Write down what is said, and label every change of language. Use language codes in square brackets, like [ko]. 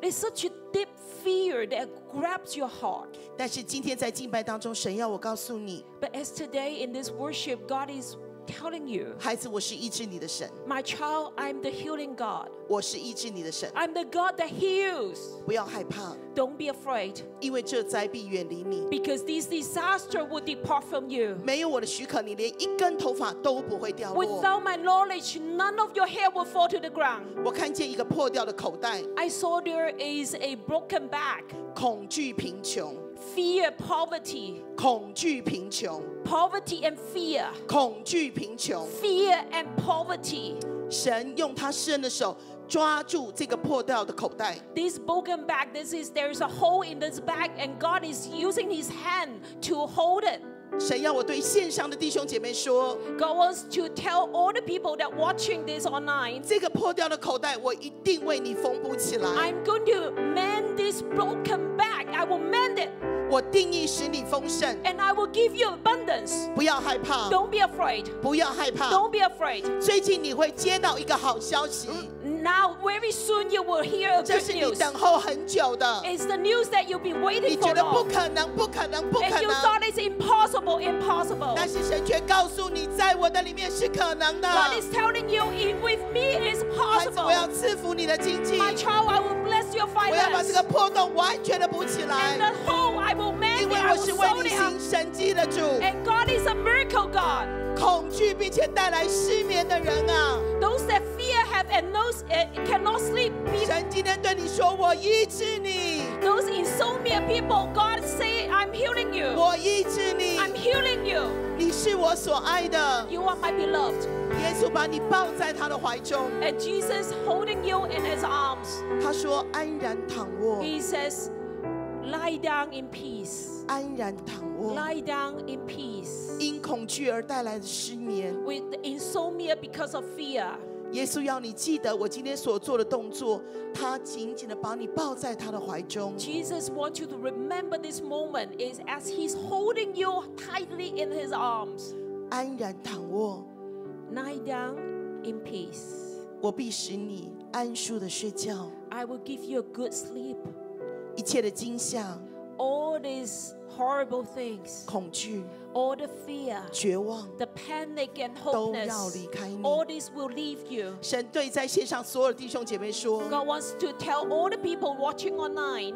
[en] It's such a deep fear that grabs your heart. [zh] 但是今天在敬拜当中，神要我告诉你。 [en] But as today in this worship, God is telling you. [zh] 孩子，我是医治你的神。 [en] My child, I'm the healing God. [zh] 我是医治你的神。 [en] I'm the God that heals. [zh] 不要害怕。 [en] Don't be afraid. [zh] 因为这灾必远离你。 [en] Because this disaster will depart from you. [zh] 没有我的许可，你连一根头发都不会掉落。 [en] Without my knowledge, none of your hair will fall to the ground. [zh] 我看见一个破掉的口袋。 [en] I saw there is a broken back. [zh] 恐惧贫穷。 [en] Fear, poverty. [zh] 恐惧贫穷。 [en] Poverty and fear. [zh] 恐惧贫穷。 [en] Fear and poverty. [zh] 神用他施恩的手。抓住这个破掉的口袋。 [en] This broken bag, there is a hole in this bag, and God is using His hand to hold it. [zh] 神要我对线上的弟兄姐妹说， [en] God wants to tell all the people that watching this online, [zh] 这个破掉的口袋，我一定为你缝补起来。 [en] I'm going to mend this broken bag. I will mend it. [zh] 我定义使你丰盛。 [en] And I will give you abundance. [zh] 不要害怕。 [en] Don't be afraid. [zh] 不要害怕。 [en] Don't be afraid. [zh] 最近你会接到一个好消息。 [en] Now, very soon you will hear a good news. It's the news that you've been waiting for. [zh] 你觉得不可能，不可能，不可能。 [en] And you thought it's impossible, impossible. [zh] 但是神却告诉你， 在我的里面是可能的。 [en] God is telling you, with me it's possible. [zh] 孩子，我要赐福你的经济。 [en] My child, I will bless your finance. [zh] 我要把这个破洞完全的补起来。 [en] And the hole I will mend, I will sew it up. [zh] 因为我是为你行神迹的主。 [en] And God is a miracle God. [zh] 恐惧并且带来失眠的人啊， [en] those that fear have and those cannot sleep. [zh] 神今天对你说，我医治你。 [en] Those insomnia people, God say, I'm healing you. [zh] 我医治你。 [en] I'm healing you. [zh] 你是我所爱的。 [en] You are my beloved. [zh] 耶稣把你抱在他的怀中。 [en] And Jesus holding you in His arms. [zh] 他说，安然躺卧。 [en] He says, lie down in peace. [zh] 安然躺卧。 [en] Lie down in peace. [zh] 因恐惧而带来的失眠。 [en] With insomnia because of fear. [zh] 耶稣要你记得我今天所做的动作，他紧紧地把你抱在他的怀中。 [en] Jesus wants you to remember this moment is as he's holding you tightly in his arms. [zh] 安然躺卧。 [en] Lie down in peace. [zh] 我必使你安舒地睡觉。 [en] I will give you a good sleep. [zh] 一切的惊吓。 [en] All these horrible things. [zh] 恐惧。 [en] All the fear. [zh] 绝望。 [en] The panic and hopelessness. [zh] 都要离开你。 [en] All this will leave you. [zh] 神对在线上所有弟兄姐妹说。 [en] God wants to tell all the people watching online.